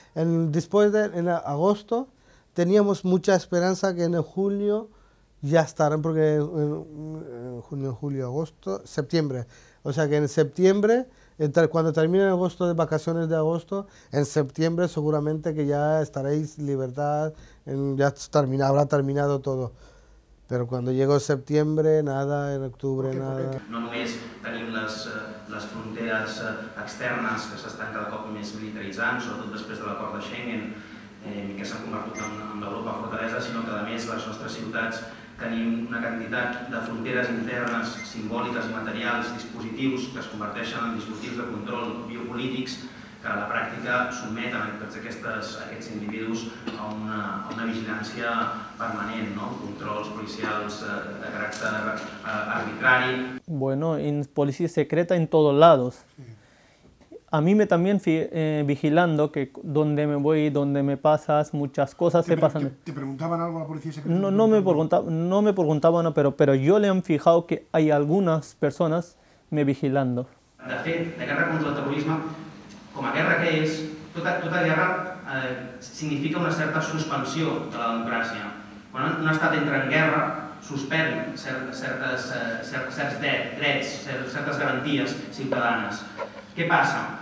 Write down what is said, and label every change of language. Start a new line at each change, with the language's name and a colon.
Spanish: En agosto teníamos mucha esperanza que en julio ya estarán, porque en junio, julio, agosto, septiembre. O sea que en septiembre, cuando termine agosto, de vacaciones de agosto, en septiembre seguramente que ya estaréis libertad, habrá terminado todo. Pero cuando llegó septiembre, nada, en octubre, nada.
Catalan: No només tenim les fronteres externes que s'estan cada cop més militaritzant, sobretot després de l'acord de Schengen, que s'ha convertit en l'Europa fortalesa, sinó que a més les nostres ciutats tenim una quantitat de fronteres internes, simbòliques, materials, dispositius, que es converteixen en dispositius de control biopolítics, que a la pràctica sotmeten aquests individus a una vigilància permanent, no? Controls policials de caràcter arbitrari.
Spanish: Bueno, en policía secreta en todos lados. A mí me también vigilando, que donde me voy, donde me pasas, muchas cosas se pasan. ¿Te preguntaban algo a la policía secreta? No me preguntaban, pero yo le han fijado que hay algunas personas me vigilando.
Catalan: De fet, la guerra contra el terrorisme, com a guerra que és, tota guerra significa una certa suspensió de la democràcia. Quan un estat entra en guerra, suspèn certs drets, certes garanties ciutadanes. Què passa?